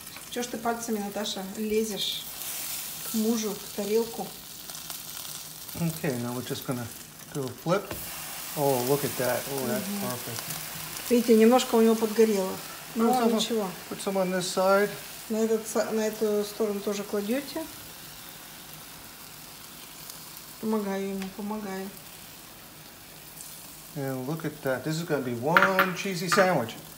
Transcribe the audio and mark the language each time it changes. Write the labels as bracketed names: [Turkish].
[Russian] Чё ж ты пальцами, Наташа, лезешь? Мужу в тарелку. [English] Okay, now we're just gonna do a flip. Oh, look at that. Oh, that's mm-hmm. perfect. [Russian] Видите, немножко у него подгорело. Ну, ничего. [English] Put some on this side. [Russian] На эту сторону тоже кладете. Помогаю ему, помогаю. [English] And look at that. This is gonna be one cheesy sandwich.